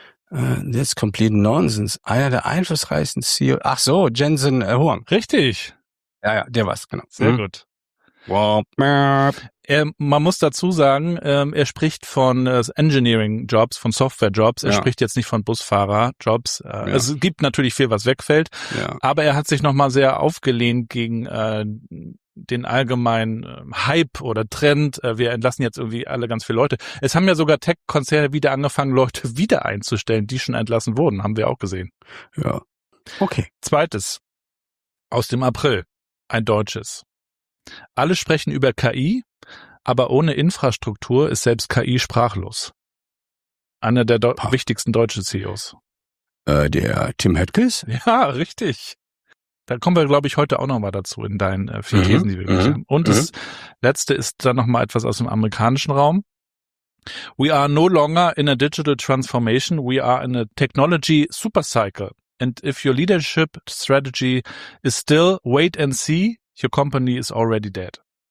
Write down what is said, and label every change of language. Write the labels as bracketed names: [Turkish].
[English] That's complete nonsense. [German] Einer der einflussreichsten CEOs. Ach so, Jensen Huang. Richtig. Ja, der war's, genau. Sehr gut. Man muss dazu sagen, er spricht von Engineering-Jobs, von Software-Jobs. Er spricht jetzt nicht von Busfahrer-Jobs. Es gibt natürlich viel, was wegfällt. Aber er hat sich nochmal sehr aufgelehnt gegen den allgemeinen Hype oder Trend. Wir entlassen jetzt irgendwie alle ganz viele Leute. Es haben ja sogar Tech-Konzerne wieder angefangen, Leute wieder einzustellen, die schon entlassen wurden. Haben wir auch gesehen. Ja. Okay. Zweites. Aus dem April. Ein deutsches. Alle sprechen über KI, aber ohne Infrastruktur ist selbst KI sprachlos. Einer der wichtigsten deutschen CEOs. Der Tim Höttges? Ja, richtig. Da kommen wir, glaube ich, heute auch nochmal dazu in deinen vier Thesen, die wir gemacht haben. Und das letzte ist dann nochmal etwas aus dem amerikanischen Raum. [English] We are no longer in a digital transformation, we are in a technology supercycle. And if your leadership strategy is still wait and see, your company is already dead.